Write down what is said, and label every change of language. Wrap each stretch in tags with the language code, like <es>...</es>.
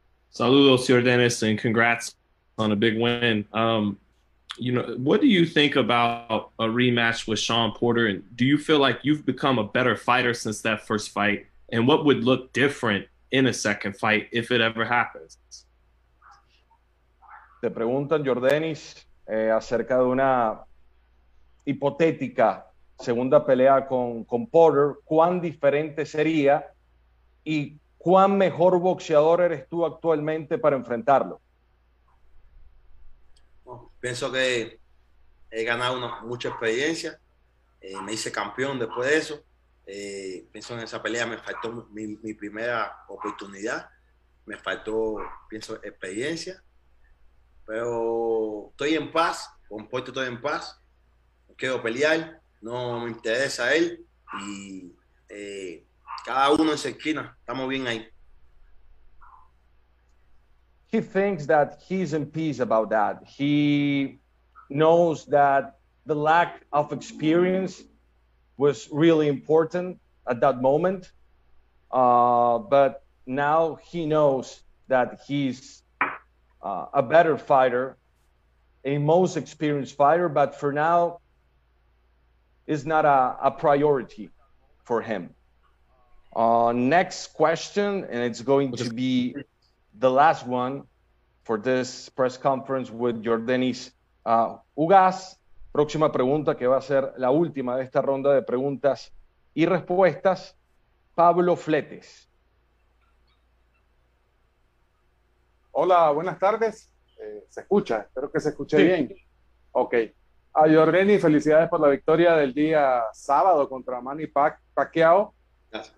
<en>Saludos, señor Dennis, and congrats on a big win. You know, what do you think about a rematch with Sean Porter? And do you feel like you've become a better fighter since that first fight? And what would look different in a second fight if it ever happens?</en> <es>Te preguntan, Yordenis, acerca de una hipotética segunda pelea con Porter. ¿Cuán diferente sería y cuán mejor boxeador eres tú actualmente para enfrentarlo? Pienso que he ganado mucha experiencia, me hice campeón después de eso. Pienso en esa pelea, me faltó mi primera oportunidad, me faltó, pienso, experiencia. Pero estoy en paz, con Puerto estoy en paz, quiero pelear, no me interesa él. Y cada uno en su esquina, estamos bien ahí.</es> <en>He thinks that he's in peace about that. He knows that the lack of experience was really important at that moment. But now he knows that he's a better fighter, a most experienced fighter, but for now is not a priority for him. Next question, and it's going to be the last one for this press conference with Yordenis Ugas.</en> <es>Próxima pregunta, que va a ser la última de esta ronda de preguntas y respuestas, Pablo Fletes. Hola, buenas tardes. Se escucha, espero que se escuche sí. Bien. Ok. A Yordenis, felicidades por la victoria del día sábado contra Manny Pacquiao. Gracias.</es>